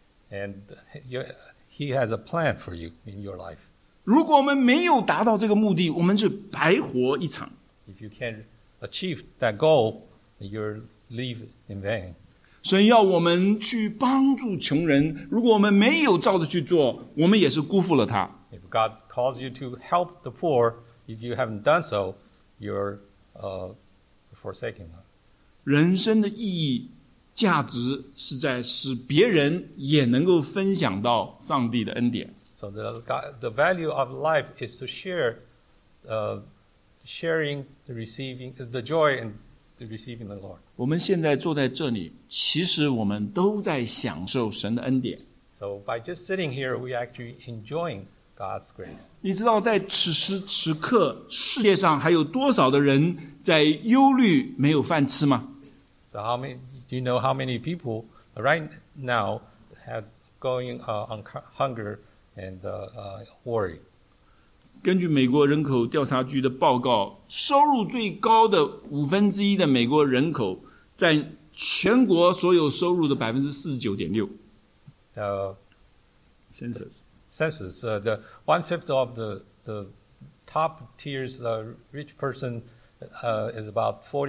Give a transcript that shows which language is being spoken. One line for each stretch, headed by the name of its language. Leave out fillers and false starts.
English: And he has a plan for you in your life.
Chinese: 如果我们没有达到这个目的，我们是白活一场。
English: If you can't achieve that goal, you're live in vain.
Chinese: 神要我们去帮助穷人，如果我们没有照着去做，我们也是辜负了他。
English: If God calls you to help the poor, if you haven't done so, you're forsaking them.
Chinese: 人生的意义价值是在使别人也能够分享到上帝的恩典。
English: So the value of life is to share sharing the receiving the joy andReceiving the Lord.
Chinese: 我们现在坐在这里，其实我们都在享受神的恩典。
English: So by just sitting here, we actually enjoying God's grace.
Chinese: 你知道在此时此刻，世界上还有多少的人在忧虑没有饭吃吗
English: ？So how many? Do you know how many people right now has going on hunger and worry?
Chinese: 根据美国人口调查局的报告。收入最高的五分之一的美国人口占全国所有收入的49.6%。
English: Census. The one-fifth of the top tiers the rich person is about